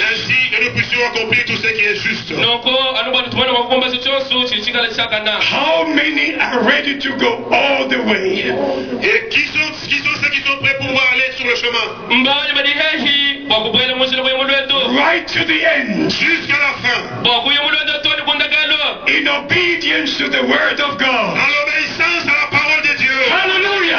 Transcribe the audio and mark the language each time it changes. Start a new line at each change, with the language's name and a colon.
French: Ainsi, nous puissions accomplir tout ce qui est juste.
English: How many are ready to go all the way?
French: Et qui sont ceux qui sont prêts pour pouvoir aller sur le chemin?
English: Right to the end.
French: Jusqu'à la fin.
English: In obedience to the word of God.
French: À l'obéissance à la parole de Dieu.
English: Hallelujah.